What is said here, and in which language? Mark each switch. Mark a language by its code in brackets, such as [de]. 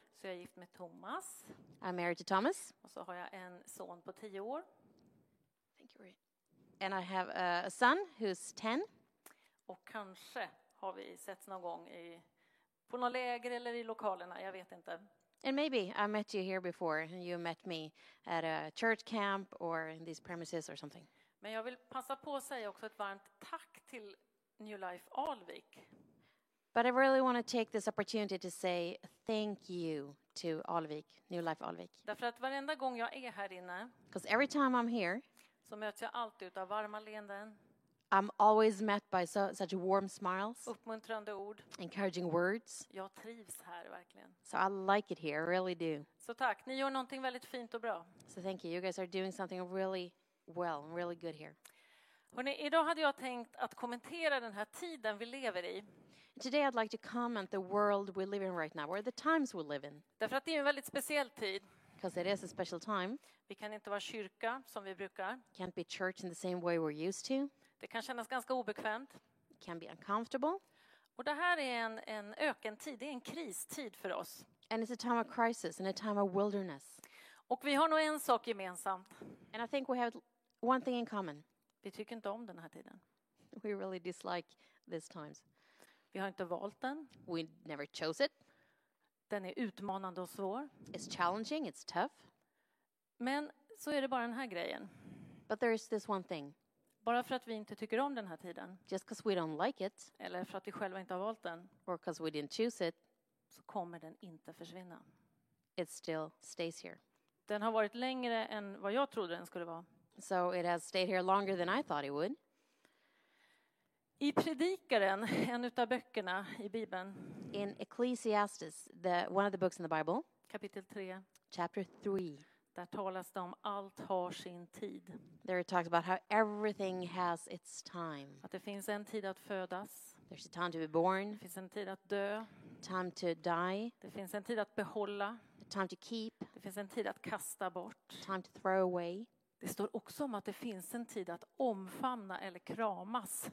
[sv] Så jag är gift med Thomas. [en] I'm married to Thomas. [sv] Och så har jag en son på 10 år. [en] Thank you. And I have a son who's 10. [sv] Och kanske har vi sett någon gång i på några läger eller i lokalerna, jag vet inte. [en] And maybe I met you here before and you met me at a church camp or in these premises or something. [sv] Men jag vill passa på att säga också ett varmt tack till New Life Alvik. [en] But I really want to take this opportunity to say thank you to Alvik, New Life Alvik. [sv] Därför att varenda gång jag är här inne, [en] because every time I'm here, [sv] så möts jag alltid av varma leenden. [en] I'm always met by such warm smiles. [sv] Uppmuntrande ord. [en] Encouraging words. [sv] Jag trivs här verkligen. [en] So I like it here, I really do. [sv] Så tack, ni gör någonting väldigt fint och bra. [en] So thank you, you guys are doing something really well, really good here. [sv] Hörrni, idag hade jag tänkt att kommentera den här tiden vi lever i. [en] Today I'd like to comment the world we live in right now, or the times we live in. [sv] Därför att det är en väldigt speciell tid. [en] Because it is a special time. [sv] Vi kan inte vara kyrka som vi brukar. [en] Can't be church in the same way we're used to. [sv] Det kan kännas ganska obekvämt. [en] Can be uncomfortable. [sv] Och det här är en ökentid, det är en kristid för oss. [en] And it's a time of crisis and a time of wilderness. [sv] Och vi har nog en sak gemensamt. [en] And I think we have one thing in common. [sv] Vi tycker inte om den här tiden. [en] We really dislike these times. [sv] Vi har inte valt den. [en] We never chose it. [sv] Den är utmanande och svår. [en] It's challenging, it's tough. [sv] Men så är det bara den här grejen. [en] But there is this one thing. [sv] Bara för att vi inte tycker om den här tiden. [en] Just because we don't like it. [sv] Eller för att vi själva inte har valt den. [en] Or because we didn't choose it. [sv] Så kommer den inte försvinna. [en] It still stays here. [sv] Den har varit längre än vad jag trodde den skulle vara. [en] So it has stayed here longer than I thought it would. [sv] I Predikaren, en utav böckerna i Bibeln. [en] In Ecclesiastes, the one of the books in the Bible. [sv] Kapitel 3. [en] Chapter 3. [sv] Där talas det om allt har sin tid. [en] There it talks about how everything has its time. [sv] Att det finns en tid att födas. [en] There's a time to be born. [sv] Det finns en tid att dö. [en] Time to die. [sv] Det finns en tid att behålla. [en] Time to keep. [sv] Det finns en tid att kasta bort. [en] Time to throw away. [sv] Det står också om att det finns en tid att omfamna eller kramas.